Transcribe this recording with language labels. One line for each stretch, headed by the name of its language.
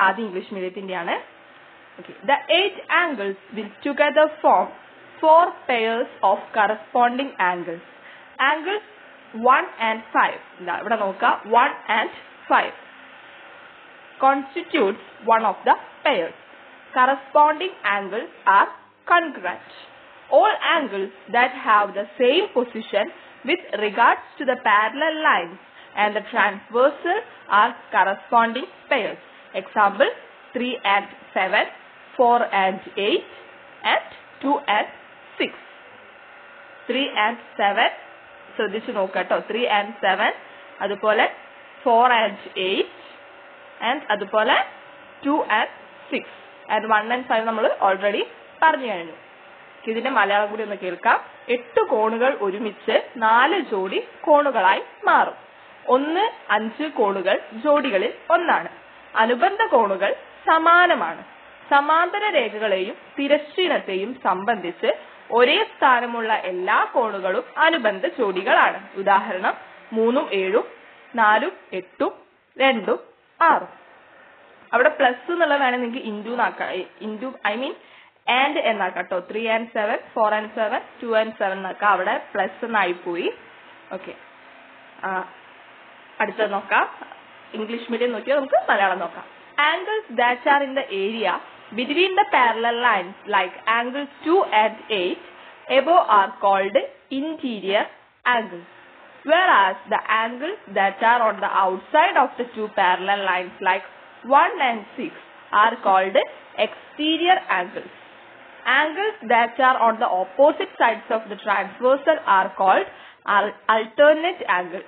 Malayalam: ആദ്യം English മീഡിയത്തിന്റെയാണ്.
English: Okay, the 8 angles will together form 4 pairs of corresponding angles. Angles 1 and 5,
Malayalam: ഇവിടെ നോക്കുക,
English: 1 and 5 constitute 1 of the pairs. Corresponding angles are congruent. All angles that have the same position with regards to the parallel lines and the transversal are corresponding pairs. Example 3 and 7, 4 and 8 and 2 and 6. 3 and 7,
Malayalam: ശ്രദ്ധിച്ചു നോക്കുക കേട്ടോ.
English: 3 and 7, അതുപോലെ 4 and 8 and അതുപോലെ 2 and 6.
Malayalam: And 1 and 5 നമ്മൾ already പറഞ്ഞു കഴിഞ്ഞു. ഇതിന്റെ മലയാളം കൂടി ഒന്ന് കേൾക്കാം. 8 കോണുകൾ ഒരുമിച്ച് 4 ജോഡി കോണുകളായി മാറും. 1, 5 കോണുകൾ ജോഡികളിൽ ഒന്നാണ്. അനുബന്ധ കോണുകൾ സമാനമാണ്. സമാന്തര രേഖകളെയും തിരശ്ചീനത്തെയും സംബന്ധിച്ച് ഒരേ സ്ഥാനമുള്ള എല്ലാ കോണുകളും അനുബന്ധ ജോഡികളാണ്. ഉദാഹരണം 3, 7, 4, 8, 2, 6. അവിടെ പ്ലസ് എന്നുള്ള വേണേൽ നിങ്ങൾക്ക് into നാക്കാം, into I mean and എന്നാക്കാം കേട്ടോ. 3 and 7, 4 and 7, 2 and 7 എന്നാക്കാം. അവിടെ പ്ലസ് എന്നായി പോയി. ഓക്കെ, അടുത്തത് നോക്കാം. ഇംഗ്ലീഷ് മീഡിയം നോക്കിയാൽ നമുക്ക് മലയാളം നോക്കാം.
English: Angles that are in the area between the parallel lines like angles 2 and 8 above are called interior angles. Whereas the angles that are on the outside of the two parallel lines like 1 and 6 are called exterior angles. Angles that are on the opposite sides of the transversal are called alternate angle.